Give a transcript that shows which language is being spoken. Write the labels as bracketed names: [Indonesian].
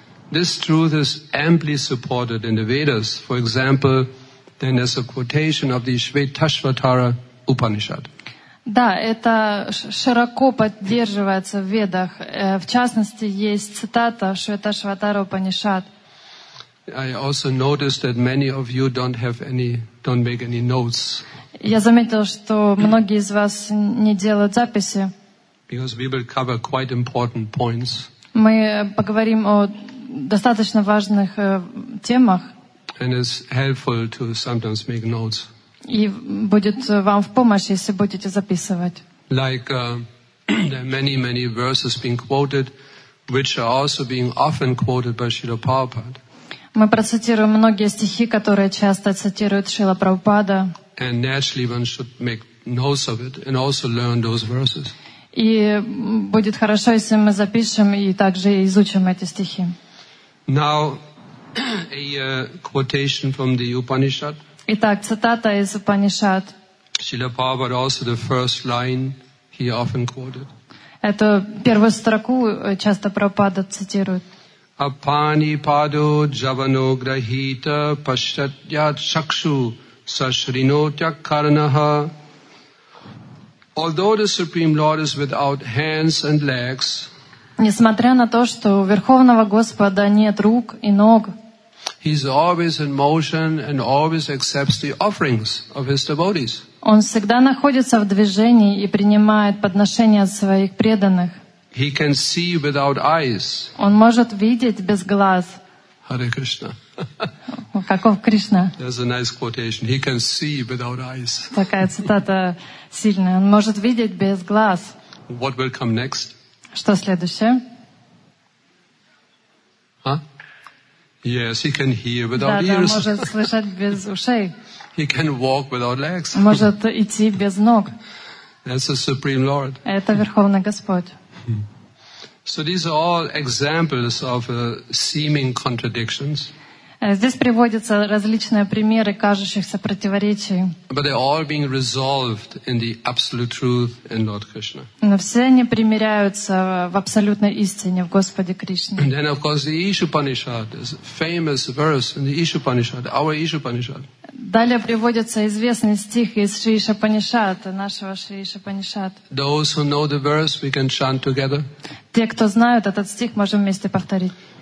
[English] This truth is amply supported in the Vedas. For example, then there's a quotation of the Shvetashvatara Upanishad. [Russian] Да, это широко поддерживается в Ведах. В частности, есть цитата Шветашватара Упанишад. [English] I also noticed that many of you don't make any notes. [Russian] Я заметил, что многие из вас не делают записи. [English] Because we will cover quite important points. [Russian] Мы поговорим о достаточно важных темах. [English] And it's helpful to sometimes make notes. [Russian] И будет вам в помощь, если будете записывать. [English] Like there are many, many verses being quoted, which are also being often quoted by Srila Prabhupada. [Russian] Мы процитируем многие стихи, которые часто цитируют Шрила Прабхупада. [English] And naturally one should make notes of it and also learn those verses. [Russian] И будет хорошо, если мы запишем и также изучим эти стихи. [English] Now, a quotation from the Upanishad. [Russian] Итак, цитата из Упанишад. [English] Srila Prabhupada also the first line he often quoted. [Russian] Эту первую строку часто Прабхупада цитирует. [Sanskrit] Апани падо джавано грахита пашчатья чакшу сашрино тяккаранаха. [English] Although the Supreme Lord is without hands and legs, [Russian] несмотря на то, что у Верховного Господа нет рук и ног, [English] He is always in motion and always accepts the offerings of His devotees. [Russian] Он всегда находится в движении и принимает подношения своих преданных. [English] He can see without eyes. [Russian] Он может видеть без глаз. [Sanskrit] Hare Krishna. [Russian] Каков Кришна? [English] There's a nice quotation. He can see without eyes. [Russian] Такая цитата сильная. Он может видеть без глаз. [English] What will come next? [Russian] Что следующее? [English] Yes, he can hear without ears. [Russian] Да, может слышать без ушей. [English] He can walk without legs. [Russian] Может идти без ног. [English] That's the Supreme Lord. [Russian] Это Верховный Господь. [English] So these are all examples of seeming contradictions. [Russian] Здесь приводятся различные примеры кажущихся противоречий. [English] But they're all being resolved in the absolute truth in Lord Krishna. [Russian] Но все они примиряются в абсолютной истине в Господе Кришне. [English] And then, of course, the Ishupanishad is a famous verse in the Ishupanishad, our Ishupanishad. [Russian] Далее приводится известный стих из Шри Ишупанишад, нашего Шри Ишупанишад. [English] Those who know the verse, we can chant together. [Russian] Те, кто знают этот стих, можем вместе повторить.